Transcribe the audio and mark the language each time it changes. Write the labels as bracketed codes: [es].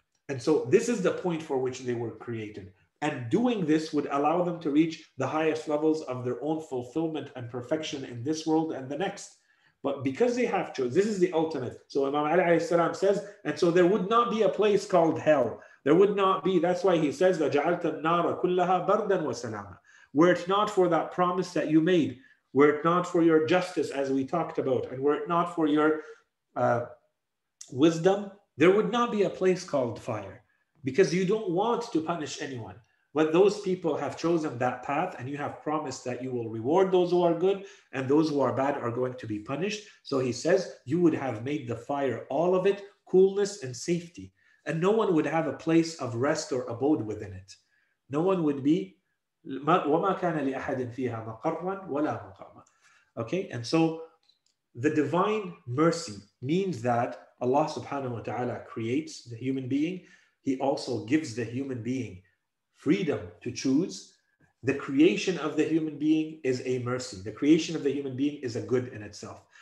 [en] And so this is the point for which they were created. And doing this would allow them to reach the highest levels of their own fulfillment and perfection in this world and the next. But because they have chosen, this is the ultimate. So Imam Ali alayhi salam says, and so there would not be a place called hell. There would not be. That's why he says, [ar] لَجَعَلْتَ النَّارَ كُلَّهَا بَرْدًا وَسَلَامًا. [en] Were it not for that promise that you made, were it not for your justice, as we talked about, and were it not for your wisdom, there would not be a place called fire, because you don't want to punish anyone. But those people have chosen that path and you have promised that you will reward those who are good and those who are bad are going to be punished. So he says, you would have made the fire, all of it, coolness and safety. And no one would have a place of rest or abode within it. No one would be, [ar] وَمَا كَانَ لِأَحَدٍ فِيهَا مَقَرًّا وَلَا مُقَامًا. [en] Okay, and so the divine mercy means that Allah subhanahu wa ta'ala creates the human being. He also gives the human being freedom to choose. The creation of the human being is a mercy. The creation of the human being is a good in itself.